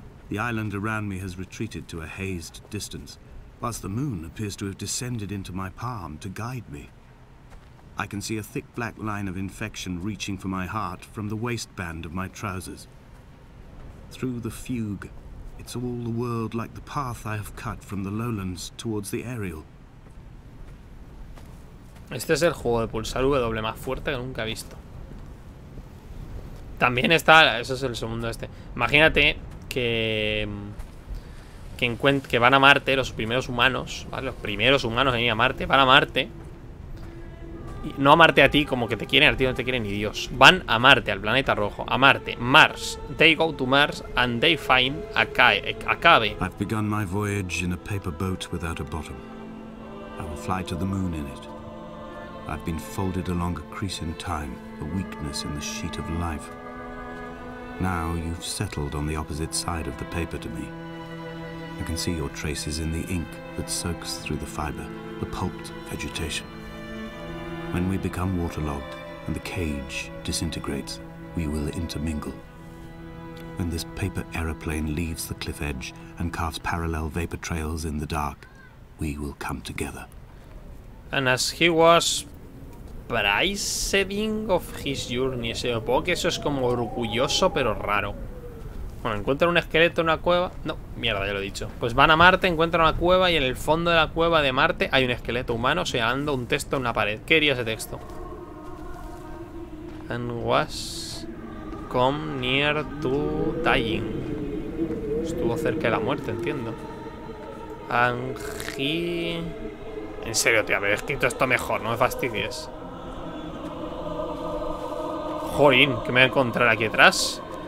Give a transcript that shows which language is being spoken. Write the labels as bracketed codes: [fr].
[en] The island around me has retreated to a hazed distance, whilst the moon appears to have descended into my palm to guide me. I can see a thick black line of infection reaching for my heart from the waistband of my trousers. Through the fugue, it's all the world like the path I have cut from the lowlands towards the aerial. [es] Este es el juego de pulsar W más fuerte que nunca he visto. También está... Eso es el segundo este. Imagínate que van a Marte los primeros humanos, ¿vale? Los primeros humanos en ir a Marte. Van a Marte. Y no a Marte a ti, como que te quieren, a ti no te quieren ni Dios. Van a Marte, al planeta rojo. A Marte. [en] Mars. They go to Mars and they find Acabe. I've begun my voyage in a paper boat without a bottom. I will fly to the moon in it. I've been folded along a crease in time, a weakness in the sheet of life. Now you've settled on the opposite side of the paper to me. I can see your traces in the ink that soaks through the fiber, the pulped vegetation. When we become waterlogged and the cage disintegrates, we will intermingle. When this paper aeroplane leaves the cliff edge and carves parallel vapor trails in the dark, we will come together. And as he was bracing of his journey, [es] supongo que eso es como orgulloso pero raro. Bueno, encuentran un esqueleto en una cueva. No, mierda, ya lo he dicho. Pues van a Marte, encuentran una cueva y en el fondo de la cueva de Marte hay un esqueleto humano señalando un texto en una pared. ¿Qué diría ese texto? [en] And was come near to dying. [es] Estuvo cerca de la muerte, entiendo. [en] And he... [es] En serio, tío, haber escrito esto mejor, no me fastidies. Jolín, ¿qué me voy a encontrar aquí atrás?